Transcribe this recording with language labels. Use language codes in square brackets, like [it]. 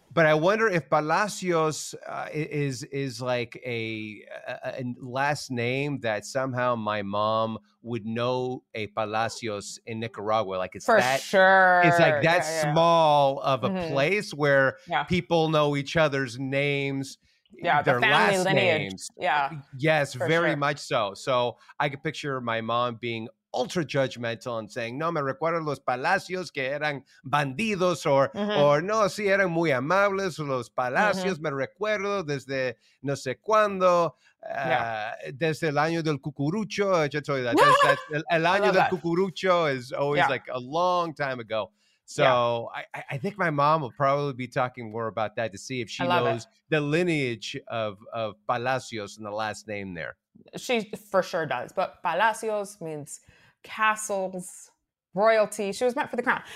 [en] But I wonder if Palacios is like a last name that somehow my mom would know a Palacios in Nicaragua. Like it's for that, sure. It's like that small of a place where people know each other's names. Yeah, their the family last lineage. Names. Yeah. Yes, for very sure. much so. So I could picture my mom being ultra judgmental and saying, [es] no, me recuerdo los Palacios que eran bandidos or no, si eran muy amables los Palacios, me recuerdo desde no sé cuándo, desde el año del cucurucho. [en] I just told you that. [es] el año del cucurucho [en] is always like a long time ago. So I think my mom will probably be talking more about that to see if she knows the lineage of Palacios and the last name there. She for sure does. But Palacios means castles, royalty. She was meant for the crown.